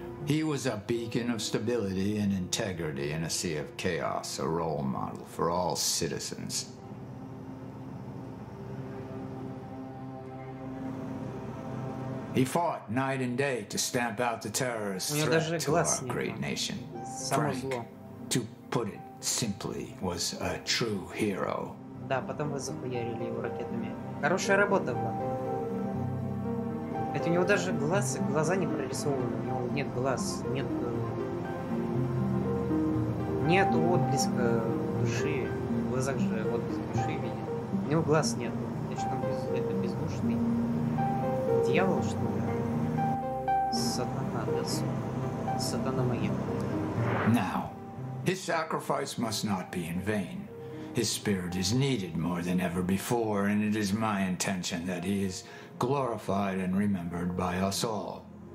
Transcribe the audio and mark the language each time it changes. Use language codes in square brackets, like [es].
[en] He was a beacon of stability and integrity in a sea of chaos, a role model for all citizens. He fought night and day to stamp out the terrorist threat to our great nation. Frank, to put it simply, was a true hero. [ru] Да, потом вы захуярили его ракетами. Хорошая работа была. Блять, у него даже глаза не прорисованы. У него нет глаз, нет отблеска души. В глазах же отблеск души видит. У него глаз нет. Значит, он это бездушный дьявол, что ли? Сатана, да, сатана моя. [en] Now, his sacrifice must not be in vain. His spirit is needed more than ever before, and it is my intention that he is glorified and remembered by us all.